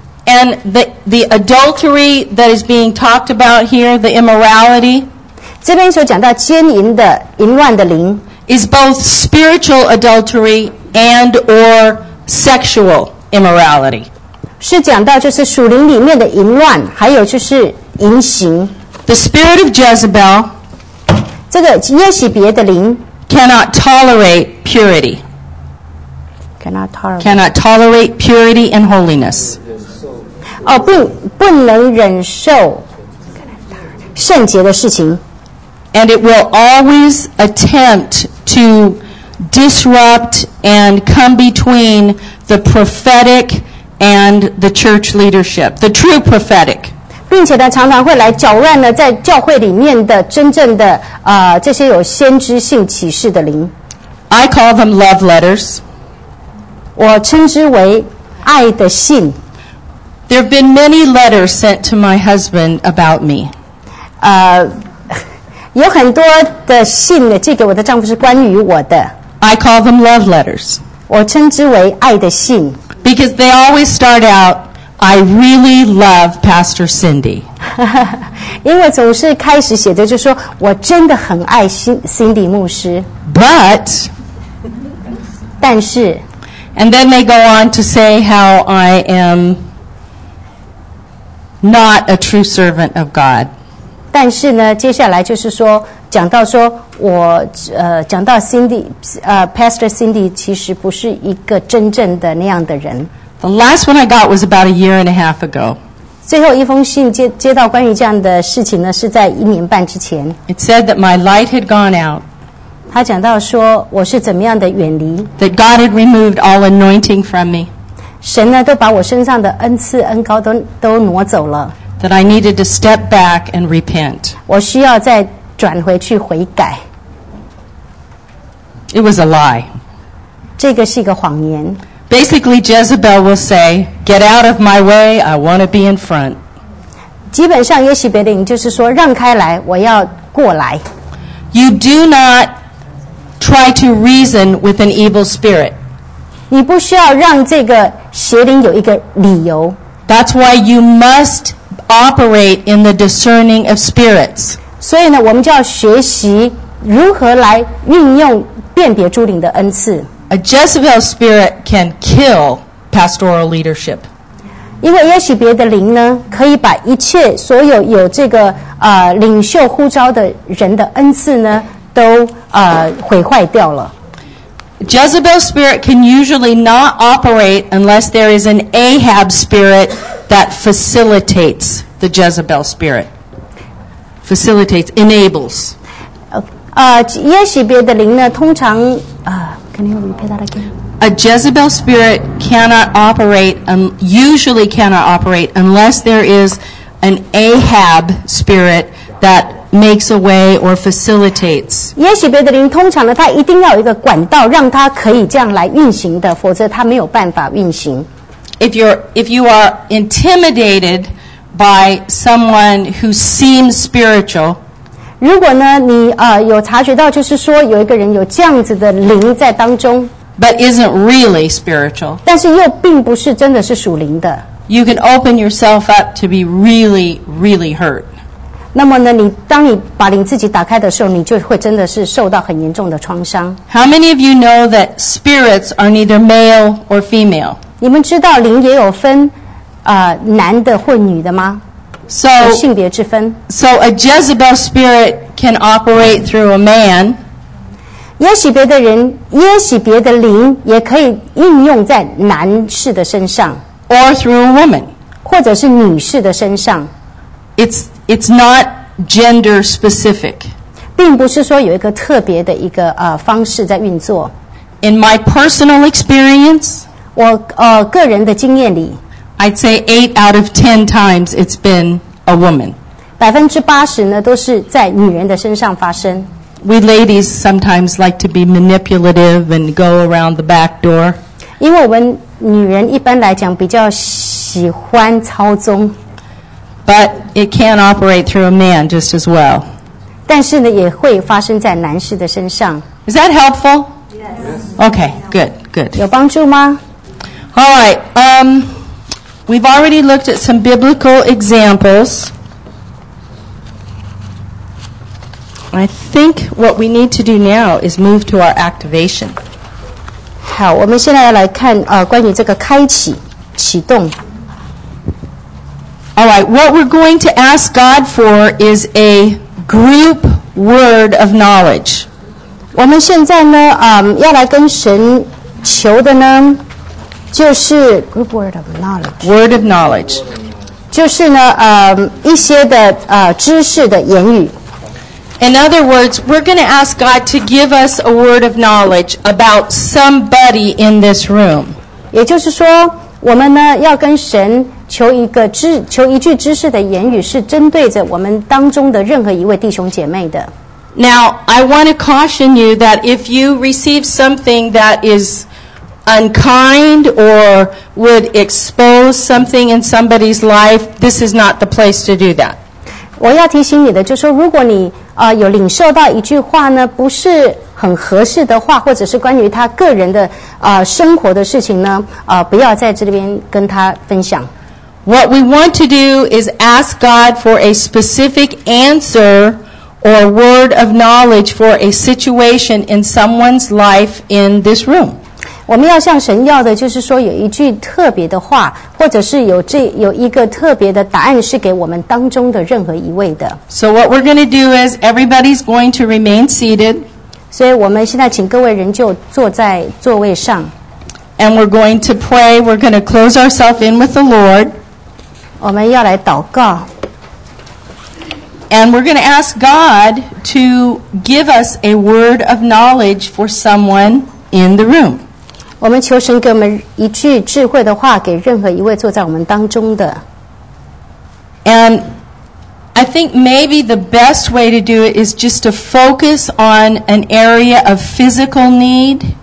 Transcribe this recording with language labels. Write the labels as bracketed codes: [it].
[en] And the adultery that is being talked about here, the immorality. [zh] 这边所讲到奸淫的淫乱的灵。 [en] Is both spiritual adultery and or sexual immorality. [zh] 是讲到就是属灵里面的淫乱，还有就是淫行。 [en] The spirit of Jezebel, [zh] 这个耶洗别的灵 [en] cannot tolerate purity. Cannot tolerate purity and holiness. [zh] 哦，不能忍受圣洁的事情。 [en] And it will always attempt to disrupt and come between the prophetic. And the church leadership, the true prophetic. [zh] 并且呢，常常会来搅乱呢，在教会里面的真正的这些有先知性启示的灵。 [en] I call them love letters. [zh] 我称之为爱的信。 [en] There have been many letters sent to my husband about me. [zh] 有很多的信呢，寄给我的丈夫是关于我的。 [en] I call them love letters. [zh] 我称之为爱的信。 [en] Because they always start out, I really love Pastor Cindy. [zh] 因为总是开始写的就说我真的很爱Cindy牧师。 [en] But, [zh] 但是 [en] and then they go on to say how I am not a true servant of God. [zh] 但是呢，接下来就是说讲到说我讲到 Cindy, Pastor Cindy 其实不是一个真正的那样的人。 [en] The last one I got was about a year and a half ago. [zh] 最后一封信接到关于这样的事情呢，是在一年半之前。 [en] It said that my light had gone out. [zh] 他讲到说我是怎么样的远离。 [en] That God had removed all anointing from me. [zh] 神呢都把我身上的恩赐恩膏都挪走了。 [en] That I needed to step back and repent. [zh] 我需要再转回去悔改。 [en] It was a lie. [zh] 这个是一个谎言。 [en] Basically, Jezebel will say, "Get out of my way! I want to be in front." [zh] 基本上，耶洗别的灵就是说，让开来，我要过来。 [en] You do not try to reason with an evil spirit. [zh] 你不需要让这个邪灵有一个理由。 [en] That's why you must operate in the discerning of spirits. [zh] 所以呢，我们就要学习如何来运用辨别诸灵的恩赐。 [en] A Jezebel spirit can kill pastoral leadership. [zh] 因为耶洗别的灵呢，可以把一切所有有这个领袖呼召的人的恩赐呢，都毁坏掉了。 [en] Jezebel spirit can usually not operate unless there is an Ahab spirit that facilitates the Jezebel spirit. Facilitates, enables. [zh] 耶洗别的灵呢，通常 [en] can you repeat that again? A Jezebel spirit cannot operate, usually cannot operate unless there is an Ahab spirit that makes a way or facilitates. [zh] 也许别的灵通常呢，它一定要有一个管道，让它可以这样来运行的，否则它没有办法运行。 [en] If you are intimidated by someone who seems spiritual, [zh] 如果呢，你有察觉到，就是说有一个人有这样子的灵在当中。 [en] But isn't really spiritual. [zh] 但是又并不是真的是属灵的。 [en] You can open yourself up to be really, really hurt. [zh] 那么呢，你当你把灵自己打开的时候，你就会真的是受到很严重的创伤。 [en] How many of you know that spirits are neither male or female? [zh] 你们知道灵也有分男的或女的吗？有性别之分。 [en] So a Jezebel spirit can operate through a man. [zh] 也许别的人，也许别的灵也可以应用在男士的身上 [en] ，or through a woman， [zh] 或者是女士的身上。 [en] It's not gender specific， [zh] 并不是说有一个特别的一个方式在运作。 [en] In my personal experience， [zh] 我个人的经验里 [en] ，I'd say 8 out of 10 times it's been a woman， [zh] 80%呢都是在女人的身上发生。 [en] We ladies sometimes like to be manipulative and go around the back door. [zh] 因为我们女人一般来讲比较喜欢操纵。 [en] But it can operate through a man just as well. [zh] 但是呢，也会发生在男士的身上。 [en] Is that helpful? Yes. Okay, good, good. [zh] 有帮助吗？ [en] All right, we've already looked at some biblical examples. I think what we need to do now is move to our activation. [zh] 好，我们现在要来看关于这个开启启动。 [en] All right, what we're going to ask God for is a group word of knowledge. [zh] 我们现在呢，要来跟神求的呢，就是 [en] group word of knowledge. Word of knowledge. [zh] 就是呢，一些的知识的言语。 [en] In other words, we're going to ask God to give us a word of knowledge about somebody in this room. [zh] 也就是说，我们呢要跟神求一个知，求一句知识的言语，是针对着我们当中的任何一位弟兄姐妹的。 [en] Now, I want to caution you that if you receive something that is unkind or would expose something in somebody's life, this is not the place to do that. [zh] 我要提醒你的就是说如果你有领受到一句话呢不是很合适的话或者是关于他个人的生活的事情呢不要在这边跟他分享。 [en] What we want to do is ask God for a specific answer or word of knowledge for a situation in someone's life in this room. [zh] 我们要向神要的就是说有一句特别的话或者是有一个特别的答案是给我们当中的任何一位的 [en] So what we're going to do is everybody's going to remain seated [zh] 所以我们现在请各位人就坐在座位上 [en] And we're going to pray We're going to close ourselves in with the Lord [zh] 我们要来祷告 [en] And we're going to ask God to give us a word of knowledge for someone in the room [zh] 我们求神给我们一句智慧的话给任何一位坐在我们当中的 [en] And I think maybe the best way to do it is just to focus on an area of physical need